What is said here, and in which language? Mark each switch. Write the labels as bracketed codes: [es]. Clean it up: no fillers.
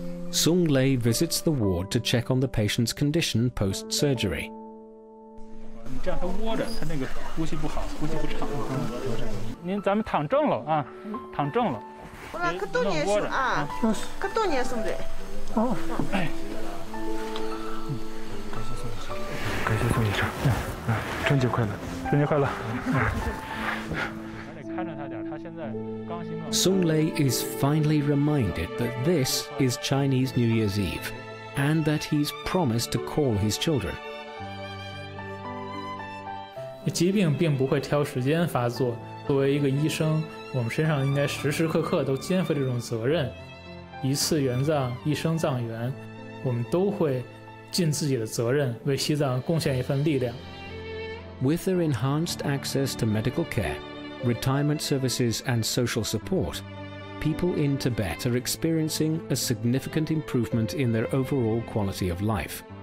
[en] Song Lei visits the ward to check on the patient's condition post surgery. [zh] 这样他窝着，他那个呼吸不好，呼吸不畅。您咱们躺正了啊，躺正了。我那可多年生啊，可多年生的。感谢宋医生，春节快乐，春节快乐。还得看着他点，他现在刚心梗。 [en] Song Lei is finally reminded that this is Chinese New Year's Eve, and that he's promised to call his children. [zh] 疾病并不会挑时间发作，作为一个医生，我们身上应该时时刻刻都肩负这种责任，一次援藏一生藏援，我们都会尽自己的责任为西藏贡献一份力量。 [en] With their enhanced access to medical care, retirement services and social support, people in Tibet are experiencing a significant improvement in their overall quality of life.